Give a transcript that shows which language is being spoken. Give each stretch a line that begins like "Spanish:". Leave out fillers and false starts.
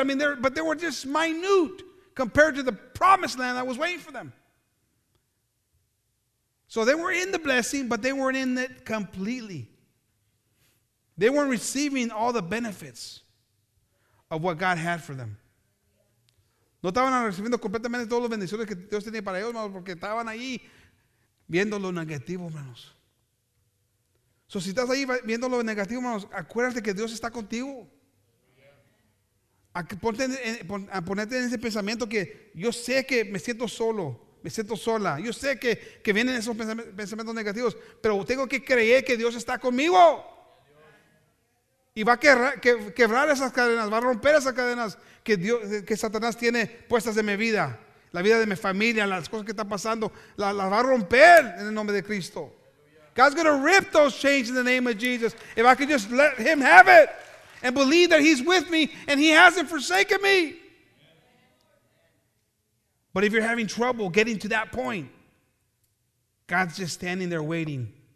English: I mean, but they were just minute compared to the promised land that was waiting for them. So they were in the blessing, but they weren't in it completely. They weren't receiving all the benefits of what God had for them.
Spanish: No estaban recibiendo completamente todas las bendiciones que Dios tenía para ellos, porque estaban ahí viendo lo negativo, hermanos. So, si estás ahí viendo lo negativo, hermanos, acuérdate que Dios está contigo. Ponerte en ese pensamiento que yo sé que me siento solo, me siento sola. Yo sé que vienen esos pensamientos negativos, pero tengo que creer que Dios está conmigo. Y va a quebrar esas cadenas, va a romper esas cadenas que Dios, que Satanás tiene puestas en mi vida. La vida de mi familia, las cosas que están pasando, las va a romper en el nombre de Cristo.
English: God's going to rip those chains in the name of Jesus. If I could just let him have it and believe that he's with me and he hasn't forsaken me. But if you're having trouble getting to that point, God's just standing there waiting.